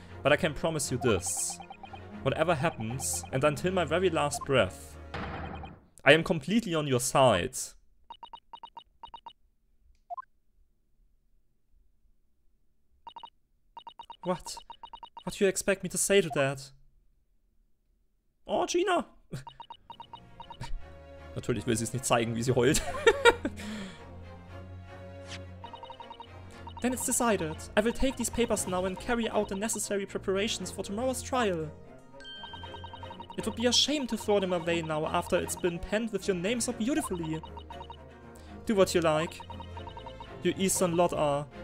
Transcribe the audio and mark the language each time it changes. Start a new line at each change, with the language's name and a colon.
English: But I can promise you this. Whatever happens, and until my very last breath, I am completely on your side. What? What do you expect me to say to that? Oh, Gina!
German: Natürlich will sie es nicht zeigen, wie sie heult.
English: Then it's decided. I will take these papers now and carry out the necessary preparations for tomorrow's trial. It would be a shame to throw them away now after it's been penned with your name so beautifully. Do what you like. You Eastern lot are...